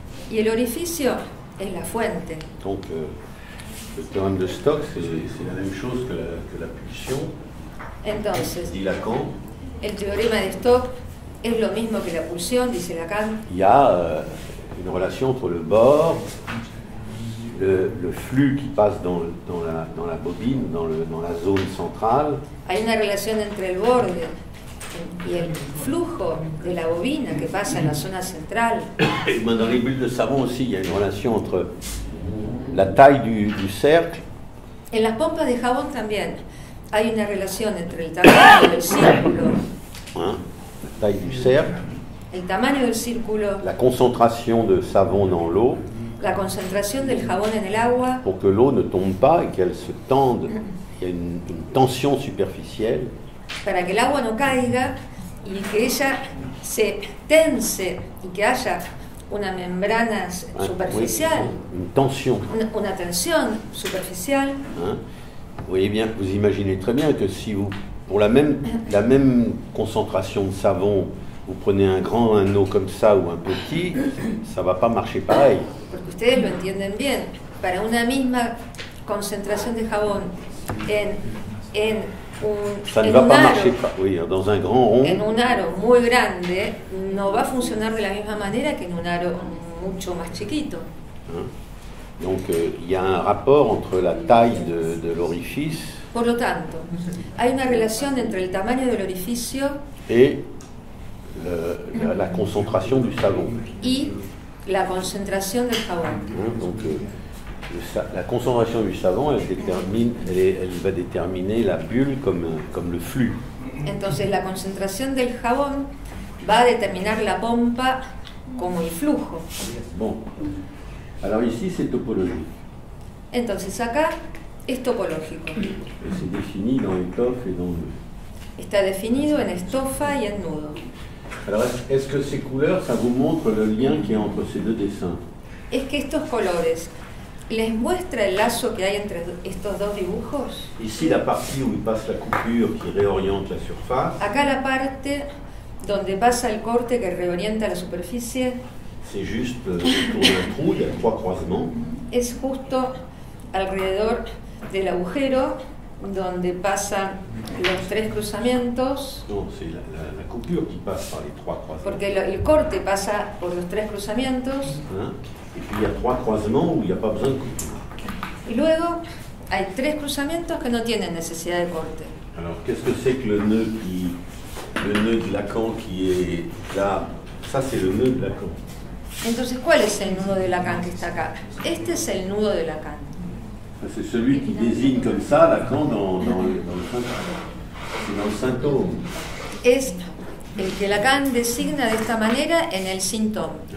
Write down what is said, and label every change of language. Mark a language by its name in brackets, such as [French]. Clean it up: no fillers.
[Spanish] Y el orificio es la fuente. [French] Donc, le théorème de Stock, c'est la même chose que la pulsion. [Spanish] Entonces, ¿y Lacan? El teorema de Stock es lo mismo que la pulsión, dice Lacan. [French] Il y a une relation entre le bord, le flux qui passe dans la bobine, dans la zone centrale. [Spanish] Hay una relación entre el borde y el flujo de la bobina que pasa en la zona central. [French] Et bien, dans les bulles de savon aussi, il y a une relation entre la taille du cercle. [Spanish] En las pompas de jabón también hay una relación entre el tamaño del círculo. [French] Hein? La taille du cercle. [Spanish] El tamaño del círculo. [French] La concentration de savon dans l'eau. [Spanish] La concentración del jabón en el agua. [French] Pour que l'eau ne tombe pas et qu'elle se tende. Il y a une tension superficielle. [Spanish] Para que el agua no caiga y que ella se tense y que haya una membrana superficial. [French] Oui, une tension. [Spanish] Una tensión superficial. Hein? [French] Vous voyez bien, vous imaginez très bien que si vous, pour la même concentration de savon, vous prenez un grand anneau comme ça ou un petit, ça ne va pas marcher pareil. [Spanish] Porque ustedes lo entienden bien. Para una misma concentración de jabón en [French] ça ne va pas marcher pas. Oui, dans un grand rond. [Spanish] En un aro muy grande, no va a funcionar de la misma manera que en un aro mucho más chiquito. [French] Donc, il y a un rapport entre la taille de l'orifice. [Spanish] Por lo tanto, hay una relación entre el tamaño del orificio [French] et la concentration du savon. [Spanish] Y la concentración del jabón. [French] Donc, la concentration du savon, elle va déterminer la bulle comme le flux. [Spanish] Entonces, la concentración del jabón va a determinar la pompa como el flujo. [French] Bon. Alors ici, c'est topologique. [Spanish] Entonces, acá es topológico. [French] Et c'est défini dans Étoffe et dans Nudo. [Spanish] Está definido en Estofa y en Nudo. [French] Alors, est-ce que ces couleurs, ça vous montre le lien qui est entre ces deux dessins? [Spanish] Es que estos colores les muestra el lazo que hay entre estos dos dibujos. [French] Ici, la partie où il passe la coupure qui réoriente la surface. [Spanish] Acá la parte donde pasa el corte que reorienta la superficie. [French] C'est juste autour d'un trou, il y a trois croisements. [Spanish] Es justo alrededor del agujero donde pasan los tres cruzamientos. [French] Non, c'est la coupure qui passe par les trois croisements. [Spanish] Porque el corte pasa por los tres cruzamientos. [French] Et puis il y a trois croisements où il n'y a pas besoin de coupure. [Spanish] Y luego hay tres cruzamientos que no tienen necesidad de corte. [French] Alors, qu'est-ce que c'est que le nœud de Lacan qui est là? Ça, c'est le nœud de Lacan. [Spanish] Entonces, ¿cuál es el nudo de Lacan que está acá? Este es el nudo de Lacan. [French] C'est celui qui désigne comme ça Lacan dans le symptôme. [Spanish] Es el que Lacan designa de esta manera en el symptôme.